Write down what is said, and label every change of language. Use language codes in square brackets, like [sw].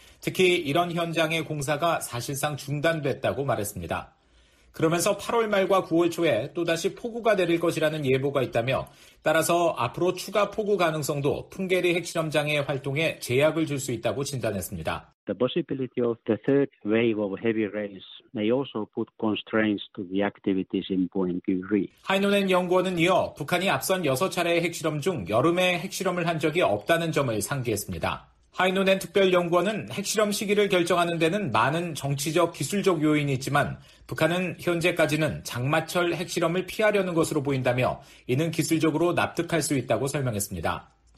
[ko] 특히 이런 현장의 공사가 사실상 중단됐다고 말했습니다. 그러면서 8월 말과 9월 초에 또다시 폭우가 내릴 것이라는 예보가 있다며 따라서 앞으로 추가 폭우 가능성도 풍계리 핵실험장의 활동에 제약을 줄 수 있다고 진단했습니다. [en] The possibility of the third wave of heavy rains may also put constraints to the activities in Punggye-ri. [ko] 하이노넨 연구원은 이어 북한이 앞선 6차례의 핵실험 중 여름에 핵실험을 한 적이 없다는 점을 상기했습니다. 하이노넨 특별연구원은 핵실험 시기를 결정하는 데는 많은 정치적, 기술적 요인이 있지만 북한은 현재까지는 장마철 핵실험을 피하려는 것으로 보인다며 이는 기술적으로 납득할 수 있다고 설명했습니다.